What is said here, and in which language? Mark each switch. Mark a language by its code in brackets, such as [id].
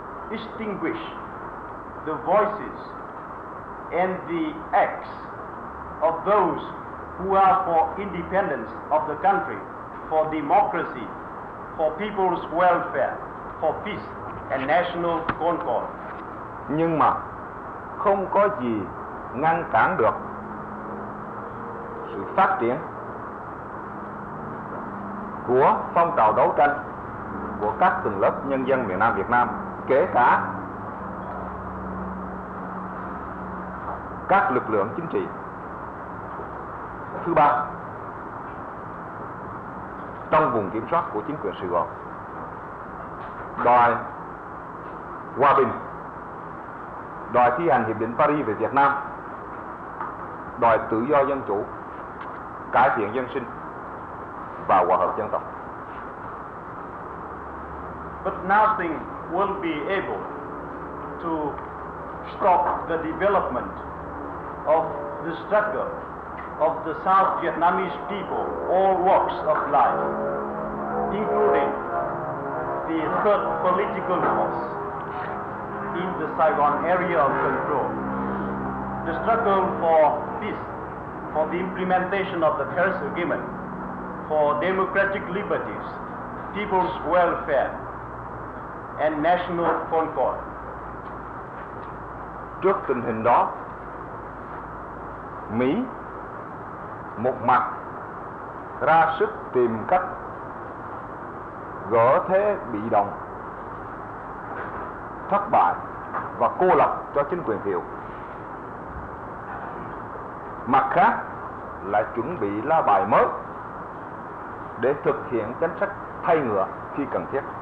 [en] extinguish the voices and the acts of those who are for independence of the country, for democracy, for people's welfare, for peace and national concord. [vi] Nhưng mà không có gì ngăn cản được sự phát triển của phong trào đấu tranh của các tầng lớp nhân dân miền Nam Việt Nam, kể cả các lực lượng chính trị. Thứ ba, trong vùng kiểm soát của chính quyền Sài Gòn, đòi hòa bình, đòi thi hành Hiệp định Paris về Việt Nam, đòi tự do dân chủ, cải thiện dân sinh và hòa hợp dân tộc. [en] But nothing will be able to stop the development of the struggle of the South Vietnamese people, all walks of life, including the third political force in the Saigon area of control. The struggle for peace, for the implementation of the Paris Agreement, for democratic liberties, people's welfare, and national concord. [vi] Trước tình hình đó, Mỹ một mặt ra sức tìm cách gỡ thế bị động, thất bại và cô lập cho chính quyền Thiệu, mặt khác lại chuẩn bị lá bài mới để thực hiện chính sách thay ngựa khi cần thiết.